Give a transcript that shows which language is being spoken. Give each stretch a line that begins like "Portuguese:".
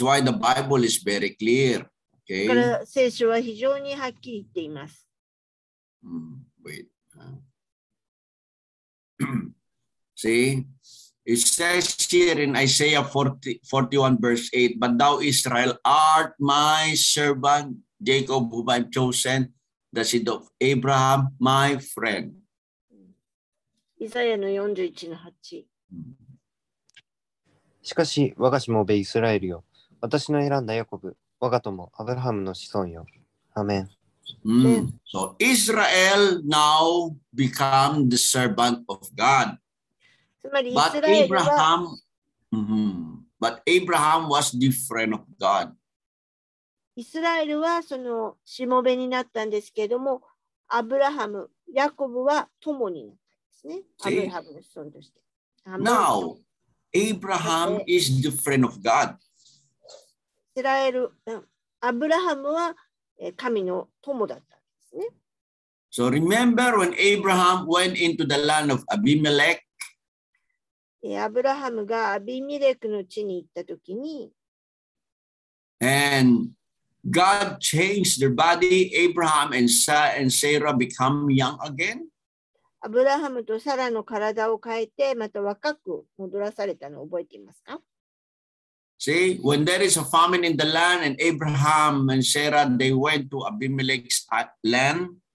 English: That's why the Bible is very clear. Okay.
Japanese: だから聖書は非常にはっきり言っています。
English: Wait. See, it says here in Isaiah 41 verse 8, But thou Israel art my servant, Jacob whom I've chosen, the seed of Abraham, my friend.
Japanese: イザヤの41の8。しかし、我が子もべイスラエルよ。私の選んだヤコブ。我が友アブラハムの子孫よ。アメン。
English: So Israel now become the servant of God.
Japanese: つまりイスラエルは、Abraham,
English: but Abraham was the friend of God.
Japanese: イスラエルはそのしもべになったんですけれども、アブラハム、ヤコブは友になったんですね。アブラハムの子孫として。
English: Now Abraham is the friend of God.
Japanese: イスラエル、アブラハムは神の友だったんですね。
English: So remember when Abraham went into the land of Abimelech?
Japanese: アブラハムがアビミレクの地に行ったときに、
English: And God changed their body, Abraham and Sarah become young again?
Japanese: アブラハムとサラの体を変えて、また若く戻らされたのを覚えていますか？
English: See, when there is a famine in the land and Abraham and Sarah, they went to Abimelech's land.